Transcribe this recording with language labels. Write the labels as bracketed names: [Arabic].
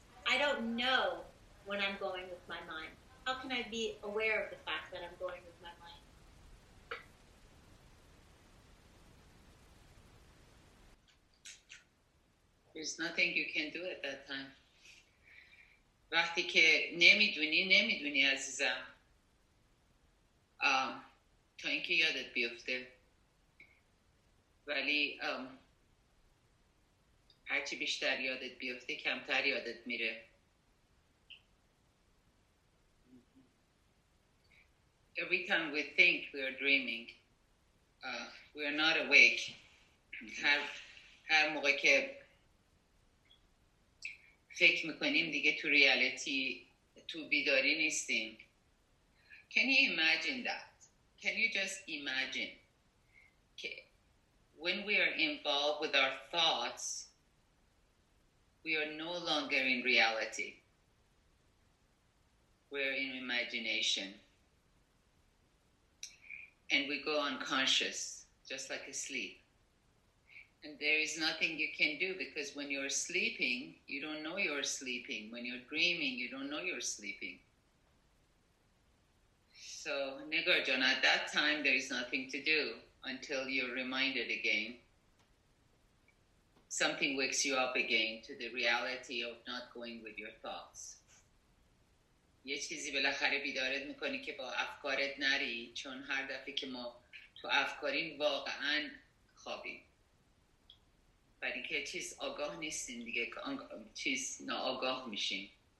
[English] I don't know when I'm going with my mind. How can I be aware of the fact that I'm going with my mind?" There's nothing you can do at that time. [Persian] وقتی که نمیدونی نمیدونی عزیزم. تا اینکه یادت بیفته. ولی هرچی بیشتر یادت بیفته کمتر یادت میره. [English] Every time we think we are dreaming, We are not awake. [Persian] هر موقع که فکر میکنیم دیگه تو ریالیتی تو بیداری نیستیم. [English] Can you imagine that? Can you just imagine که when we are involved with our thoughts, we are no longer in reality. We are in imagination. And we go unconscious, just like asleep. And there is nothing you can do, because when you're sleeping, you don't know you're sleeping. When you're dreaming, you don't know you're sleeping. So, Nigarjan, at that time, there is nothing to do until you're reminded again. Something wakes you up again to the reality of not going with your thoughts. [Persian] یه چیزی بالاخره بیدارت میکنی که با افکارت نری، چون هر دفعه که ما تو افکارین واقعا خوابیم. برای که چیز آگاه نیستیم دیگه، چیز ناآگاه میشیم.